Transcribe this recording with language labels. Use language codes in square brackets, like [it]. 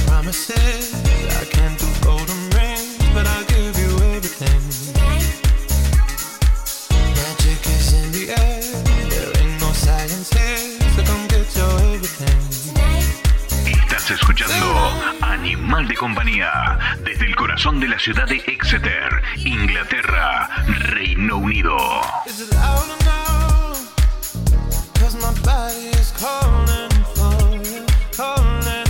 [en] I can't do golden rings, but I'll give you everything. Magic is in the air, there ain't no science here, so come get your everything. [es] Estás escuchando Animal de Compañía, desde el corazón de la ciudad de Exeter, Inglaterra, Reino Unido. [en] Is it loud or no? 'Cause my body is calling for you, calling.